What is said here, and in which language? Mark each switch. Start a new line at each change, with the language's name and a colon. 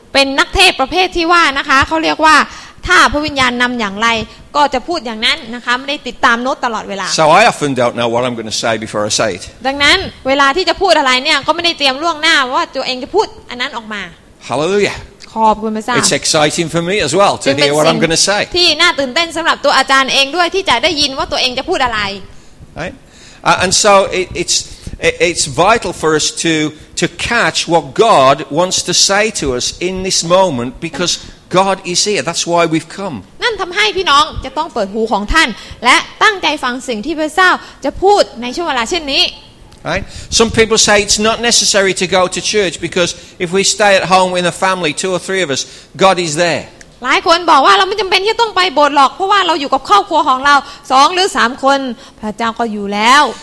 Thai: เป็นนักเทศประเภทที่ว่านะคะเขาเรียกว่าถ้าพระวิญญาณนำอย่างไรก็จะพูดอย่างนั้นนะคะไม่ได้ติดตามโน้ตตลอดเวลา
English: So I often don't know what I'm going to say before I say it.
Thai: ดังนั้นเวลาที่จะพูดอะไรเนี่ยก็ไม่ได้เตรียมล่วงหน้าว่าตัวเองจะพูดอันนั้นออกมา
English: Hallelujah. It's exciting for me as well to hear what I'm going to say.
Thai: ที่น่าตื่นเต้นสำหรับตัวอาจารย์เองด้วยที่จะได้ยินว่าตัวเองจะพูดอะไร
English: Right? And so it's vital for us to catch what God wants to say to us in this moment because God is here. That's why we've come.
Thai: นั่นทำให้พี่น้องจะต้องเปิดหูของท่านและตั้งใจฟังสิ่งที่พระเจ้าจะพูดในช่วงเวลาเช่นนี้
English: Right? Some people say it's not necessary to go to church because if we stay at home in a family, two or three of us, God is there.
Thai: หลายคนบอกว่าเราไม่จำเป็นที่ต้องไปโบสถ์หรอกเพราะว่าเราอยู่กับครอบครัวของเราสองหรือสามคนพระเจ้าก็อยู่แล้ว